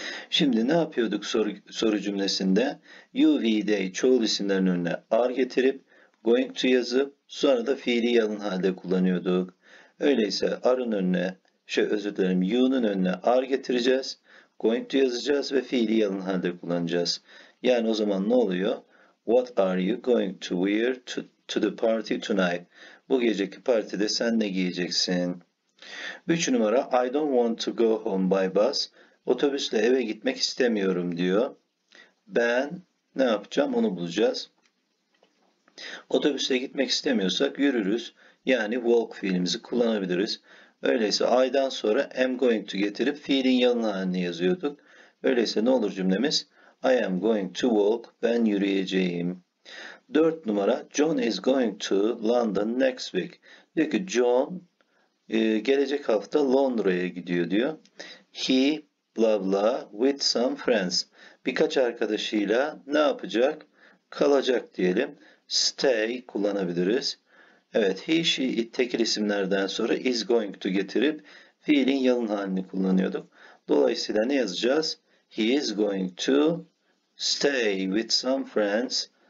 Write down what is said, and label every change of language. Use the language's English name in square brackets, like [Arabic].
[Turkish] Şimdi ne yapıyorduk soru cümlesinde? You, we, they çoğul isimlerin önüne are getirip going to yazıp sonra da fiili yalın halde kullanıyorduk. Öyleyse are'ın önüne, özür dilerim, you'nun önüne are getireceğiz. Going to yazacağız ve fiili yalın halde kullanacağız. Yani o zaman ne oluyor? [English] What are you going to wear to the party tonight? [Turkish] Bu geceki partide sen ne giyeceksin? 3 numara, [English] I don't want to go home by bus. [Turkish] Otobüsle eve gitmek istemiyorum diyor. Ben ne yapacağım onu bulacağız. Otobüsle gitmek istemiyorsak yürürüz. Yani walk fiilimizi kullanabiliriz. Öyleyse I'dan sonra am going to getirip fiilin yalın halini yazıyorduk. Öyleyse ne olur cümlemiz? [English] I am going to walk. [Turkish] Ben yürüyeceğim. 4 numara, [English] John is going to London next week. [Turkish] Diyor ki John gelecek hafta Londra'ya gidiyor diyor. [English] He blah blah with some friends. [Turkish] Birkaç arkadaşıyla ne yapacak? Kalacak diyelim. Stay kullanabiliriz. Evet, he, she, it tekil isimlerden sonra is going to getirip fiilin yalın halini kullanıyorduk. Dolayısıyla ne yazacağız? [English] He is going to stay with some friends.